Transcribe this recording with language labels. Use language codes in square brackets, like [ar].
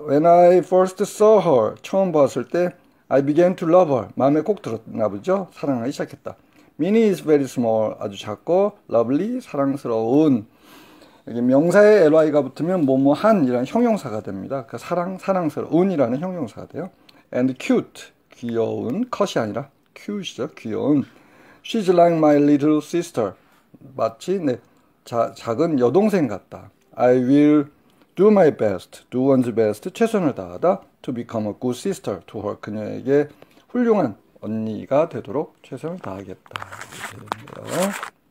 [en] When I first saw her, [ko] 처음 봤을 때 [en] I began to love her. [ko] 마음에 꼭 들었나 보죠? 사랑하기 시작했다. [en] Minnie is very small, [ko] 아주 작고, [en] lovely, [ko] 사랑스러운. 여기 명사에 ly가 붙으면 뭐뭐한이라는 형용사가 됩니다. 그러니까 사랑스러운이라는 형용사가 돼요. [en] And cute, [ko] 귀여운, 컷이 아니라 cute죠, 귀여운. [en] She's like my little sister, [ko] 마치 내 작은 여동생 같다. [en] I will do my best, do one's best, [ko] 최선을 다하다, [en] to become a good sister to her, [ko] 그녀에게 훌륭한 언니가 되도록 최선을 다하겠다. 이렇게 됩니다.